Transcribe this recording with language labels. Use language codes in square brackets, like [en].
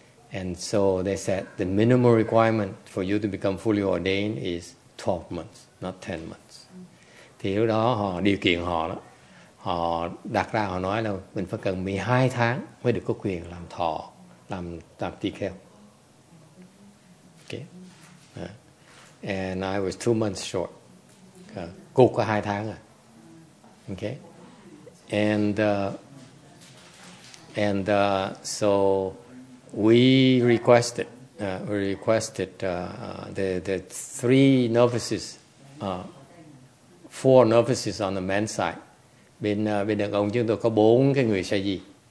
[en] And so they said the minimum requirement for you to become fully ordained is 12 months, not 10 months. [vi] Thì lúc đó họ điều kiện họ đó, họ đặt ra họ nói là mình phải cần 12 tháng mới được có quyền làm thọ, làm tỳ kheo. [en] Okay. And I was 2 months short. [vi] Cục có 2 tháng à. Okay. [en] And so we requested the 3 novices, 4 novices on the men's side. [vi] Bên đàn ông chúng tôi có 4 cái người sa di.